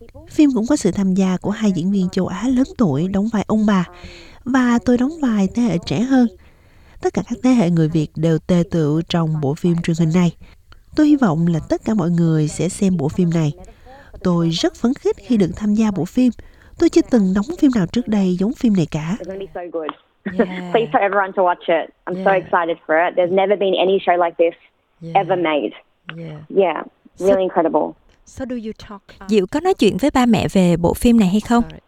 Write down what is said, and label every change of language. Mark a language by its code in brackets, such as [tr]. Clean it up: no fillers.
[vi] Phim cũng có sự tham gia của 2 diễn viên châu Á lớn tuổi đóng vai ông bà, và tôi đóng vai thế hệ trẻ hơn. Tất cả các thế hệ người Việt đều tề tựu trong bộ phim truyền hình này. Tôi hy vọng là tất cả mọi người sẽ xem bộ phim này. Tôi rất phấn khích khi được tham gia bộ phim. Tôi chưa từng đóng phim nào trước đây giống phim này cả. [en] Please tell everyone to watch it. I'm so excited for it. There's never been any show like this ever made. Yeah. Really incredible. So do you talk? [vi] Diệu có nói chuyện với ba mẹ về bộ phim này hay không?